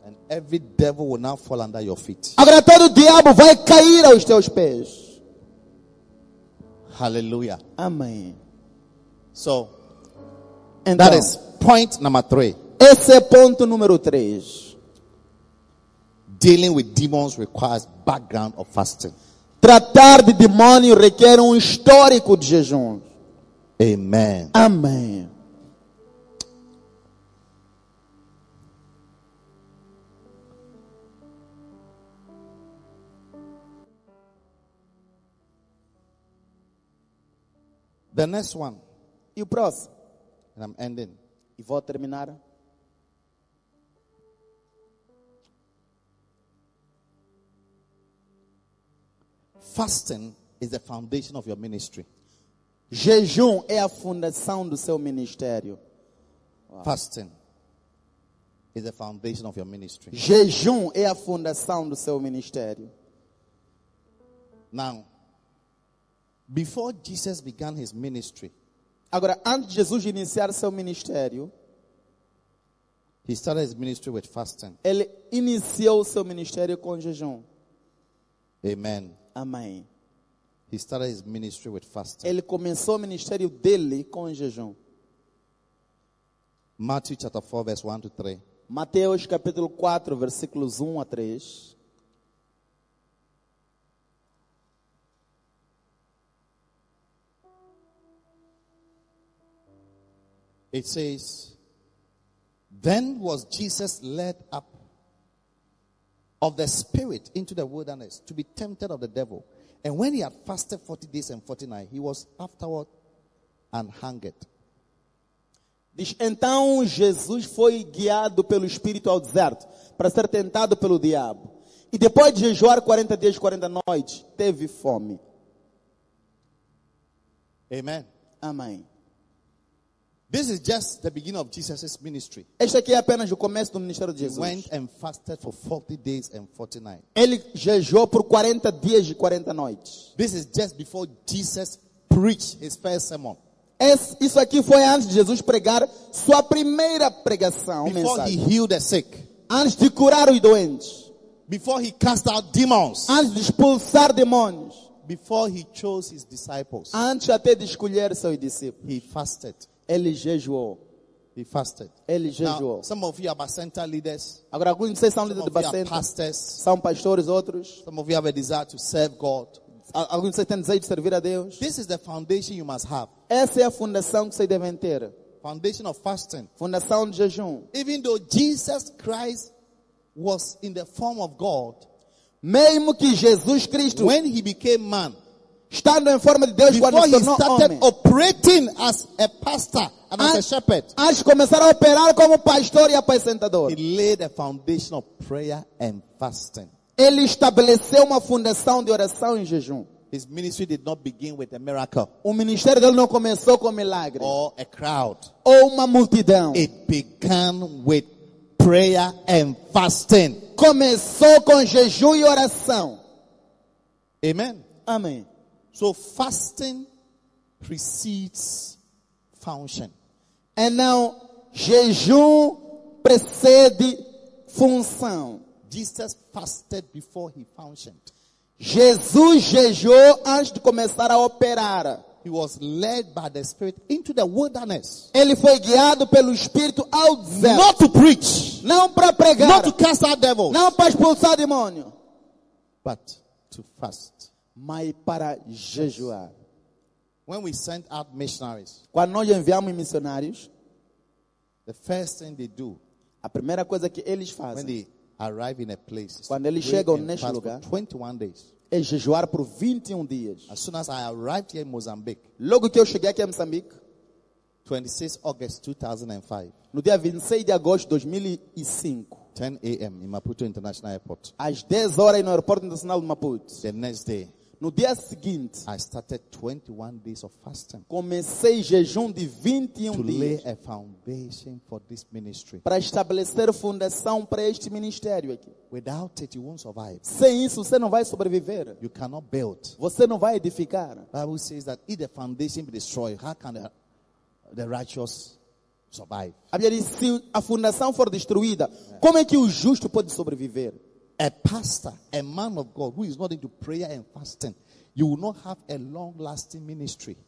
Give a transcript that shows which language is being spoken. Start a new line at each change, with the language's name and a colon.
English: Every devil will now fall under your feet.
Portuguese: Agora todo diabo vai cair aos teus pés.
English: Hallelujah.
Portuguese: Amém.
English: So, and that is point number 3.
Portuguese: Esse é ponto número 3.
English: Dealing with demons requires background of fasting.
Portuguese: Tratar de demônio requer histórico de jejum.
English: Amen.
Portuguese: Amém.
English: The next one.
Portuguese: E o próximo?
English: And I'm ending.
Portuguese: E vou terminar.
English: Fasting is the foundation of your ministry.
Portuguese: Jejum é a fundação do seu ministério.
English: Wow. Fasting is the foundation of your ministry.
Portuguese: Jejum é a fundação do seu ministério.
English: Now, before Jesus began his ministry,
Portuguese: agora antes de Jesus iniciar seu ministério,
English: he started his ministry with fasting.
Portuguese: Ele iniciou seu ministério com jejum.
English: Amen.
Portuguese: Amém.
English: He started his ministry with fasting.
Portuguese: Ele começou o ministério dele com jejum.
English: Matthew chapter 4 verse 1 to 3.
Portuguese: Mateus capítulo 4 versículos 1 a 3.
English: It says, then was Jesus led up of the spirit into the wilderness to be tempted of the devil. And when he had fasted 40 days and 40 nights, he was afterward and hungered.
Portuguese: Diz, então Jesus foi guiado pelo Espírito ao deserto, para ser tentado pelo diabo. E depois de jejuar 40 dias e 40 noites, teve fome.
English: Amen.
Portuguese: Amém.
English: This is just the beginning of Jesus' ministry.
Portuguese: Este aqui é apenas o começo do ministério de Jesus.
English: He went and fasted for 40 days and 40 nights.
Portuguese: Ele jejuou por 40 dias e 40 noites.
English: This is just before Jesus preached his first sermon.
Portuguese: Isso aqui foi antes de Jesus pregar sua primeira pregação,
English: before
Portuguese: mensagem.
English: He healed the sick.
Portuguese: Antes de curar os doentes.
English: Before he cast out demons.
Portuguese: Antes de expulsar demônios.
English: Before he chose his disciples.
Portuguese: Antes até de escolher seus discípulos.
English: He fasted.
Portuguese: Ele jejuou.
English: He fasted.
Portuguese: Ele jejuou.
English: Now, some of you are center leaders.
Portuguese: Agora alguns de vocês são líderes de bacenta.
English: Pastors.
Portuguese: São pastores outros.
English: Some of you have a desire to serve God.
Portuguese: Alguns de vocês têm desejo de servir a Deus.
English: This is the foundation you must have.
Portuguese: Essa é a fundação que vocês devem ter.
English: Foundation of fasting.
Portuguese: Fundação de jejum.
English: Even though Jesus Christ was in the form of God,
Portuguese: mesmo que Jesus Cristo, when he became man, estando em forma de Deus, quando ele se tornou homem,
English: started operating as a pastor and as a shepherd,
Portuguese: antes de começar a operar como pastor e apacentador,
English: he laid a foundation of prayer and fasting.
Portuguese: Ele estabeleceu uma fundação de oração e jejum.
English: His ministry did not begin with a miracle.
Portuguese: O ministério dele não começou com milagre.
English: Or a crowd.
Portuguese: Ou uma multidão.
English: It began with prayer and fasting.
Portuguese: Começou com jejum e oração.
English: Amen.
Portuguese: Amém.
English: So fasting precedes function. And now,
Portuguese: jejum precede função.
English: Jesus fasted before he functioned.
Portuguese: Jesus jejuou antes de começar a operar.
English: He was led by the Spirit into the wilderness.
Portuguese: Ele foi guiado pelo Espírito ao deserto.
English: Not to preach.
Portuguese: Não para pregar.
English: Not to cast out devils.
Portuguese: Não para expulsar demônio.
English: But to fast.
Portuguese: Mas para jejuar.
English: When we send out missionaries.
Portuguese: Quando nós enviamos missionários,
English: the first thing they do.
Portuguese: A primeira coisa que eles fazem.
English: Arrive in a place.
Portuguese: Quando eles chegam neste lugar,
English: 21 days.
Portuguese: É jejuar por 21 dias.
English: As soon as I arrived here in Mozambique.
Portuguese: Logo que eu cheguei aqui em Moçambique.
English: 26 August
Portuguese: 2005. No dia 26 de agosto de 2005.
English: 10 a.m. in Maputo International Airport.
Portuguese: Às 10 horas no aeroporto internacional de Maputo.
English: The next day.
Portuguese: No dia seguinte.
English: I started 21 days of fasting.
Portuguese: Comecei jejum de 21 dias.
English: To lay a foundation for this ministry.
Portuguese: Para estabelecer fundação para este ministério aqui.
English: Without it, you won't survive.
Portuguese: Sem isso, você não vai sobreviver.
English: You cannot build.
Portuguese: Você não vai edificar.
English: The Bible says that if the foundation be destroyed, how can the righteous survive?
Portuguese: A Bíblia diz, se a fundação for destruída, como é que o justo pode sobreviver?
English: A pastor, a man of God who is not into prayer and fasting, you will not have a long-lasting ministry.